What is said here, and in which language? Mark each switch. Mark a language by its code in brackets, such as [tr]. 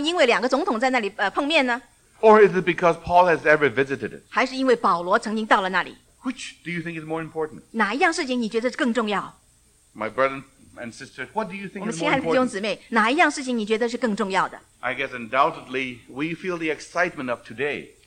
[zh] 因为两个总统在那里碰面呢？ [en] Or is it because Paul has ever visited it? [zh] 还是因为保罗曾经到了那里？ [en] Which do you think is more important? [zh] 哪一样事情你觉得更重要？ [en] My brother and sister, what do you think is more important? [zh] 我们亲爱的弟兄姊妹，哪一样事情你觉得是更重要的？ [en] I guess undoubtedly we feel the excitement of today.